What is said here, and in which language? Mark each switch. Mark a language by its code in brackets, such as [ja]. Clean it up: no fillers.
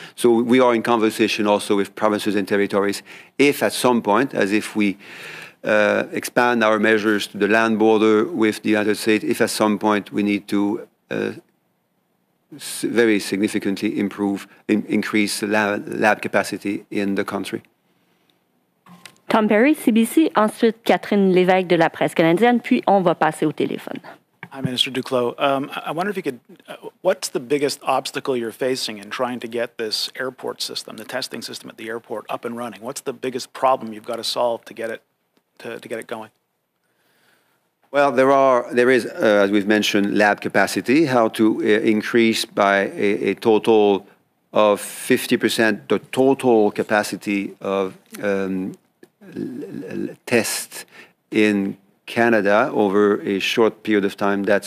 [en] So we are in conversation also with provinces and territories if at some point, as if we expand our measures to the land border with the United States, if at some point we need to very significantly increase lab capacity in the country. [fr] Tom Perry, CBC, ensuite Catherine Lévesque de la Presse canadienne, puis on va passer au téléphone. [en] Hi, Minister Duclos. I wonder if you could, what's the biggest obstacle you're facing in trying to get this airport system, the testing system at the airport, up and running? What's the biggest problem you've got to solve to get it to get it going? Well, there is, as we've mentioned, lab capacity, how to increase by a total of 50% the total capacity of test in Canada over a short period of time.